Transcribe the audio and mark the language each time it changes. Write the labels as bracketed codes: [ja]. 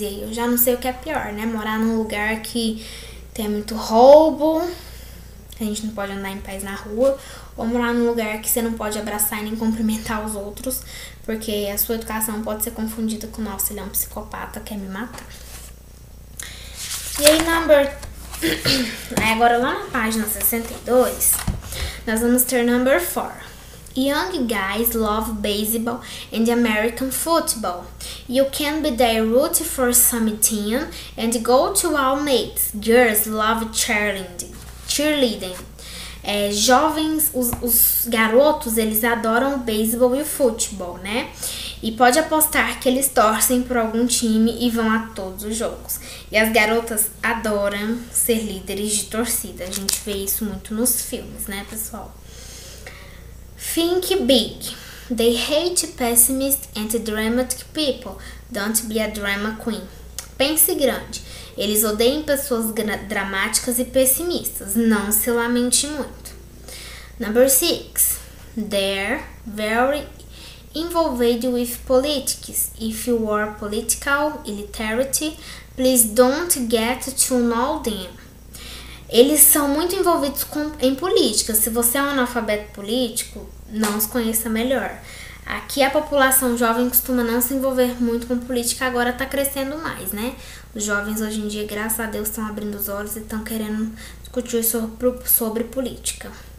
[pt] E aí eu já não sei o que é pior, né? Morar num lugar que tem muito roubo, a gente não pode andar em paz na rua, ou morar num lugar que você não pode abraçar e nem cumprimentar os outros, porque a sua educação pode ser confundida com, nossa, ele é um psicopata, quer me matar. E aí, agora lá na página 62, nós vamos ter [en] number 4. Young guys love baseball and American football. You can be their root for some team and go to all mates. Girls love cheerleading. [pt] É, jovens, os garotos, eles adoram beisebol e futebol, né? E pode apostar que eles torcem por algum time e vão a todos os jogos. E as garotas adoram ser líderes de torcida. A gente vê isso muito nos filmes, né, pessoal? [en] Think big. They hate pessimist and dramatic people. Don't be a drama queen. [pt] Pense grande. Eles odeiam pessoas dramáticas e pessimistas. Não se lamente muito. [en] Number 6. They're very involved with politics. If you are political illiterate, please don't get to know them. [pt] Eles são muito envolvidos em política. Se você é um analfabeto político, não os conheça melhor. Aqui a população jovem costuma não se envolver muito com política, agora tá crescendo mais, né? Os jovens hoje em dia, graças a Deus, estão abrindo os olhos e estão querendo discutir sobre política.